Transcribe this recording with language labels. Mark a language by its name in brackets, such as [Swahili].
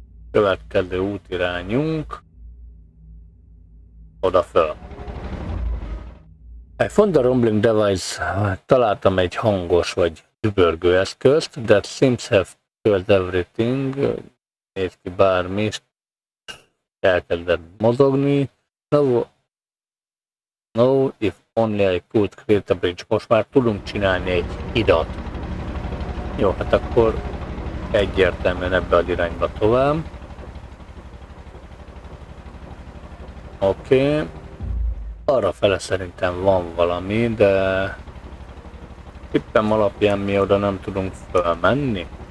[Hungarian] Következő útirányunk. Oda föl. A Fonda Rumbling Device, találtam egy hangos vagy dübörgő eszközt, [English] that seems have killed everything, [Hungarian] nézd ki bármi, elkezdett mozogni. [English] No, if only I could create a bridge. [Hungarian] Most már tudunk csinálni egy hidat. Jó, hát akkor egyértelműen ebbe az irányba tovább. Oké. Arrafele szerintem van valami, de tippem alapján mi oda nem tudunk fölmenni.